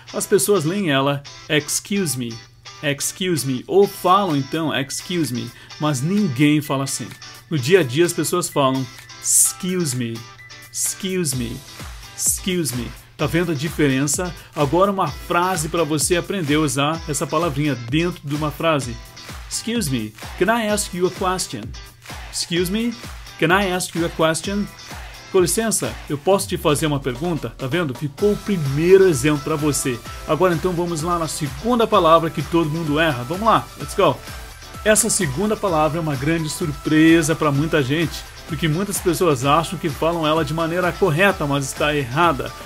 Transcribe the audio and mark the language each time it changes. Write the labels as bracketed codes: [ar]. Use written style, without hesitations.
[pt] As pessoas leem ela, excuse me, ou falam então excuse me, mas ninguém fala assim. No dia a dia as pessoas falam excuse me. Excuse me, excuse me. Tá vendo a diferença? Agora uma frase para você aprender a usar essa palavrinha dentro de uma frase. [en] Excuse me, can I ask you a question? Excuse me, can I ask you a question? [pt] Com licença, eu posso te fazer uma pergunta? Tá vendo? Ficou o primeiro exemplo para você. Agora então vamos lá na segunda palavra que todo mundo erra. Vamos lá, [en] let's go. [pt] Essa segunda palavra é uma grande surpresa para muita gente. Porque muitas pessoas acham que falam ela de maneira correta, mas está errada.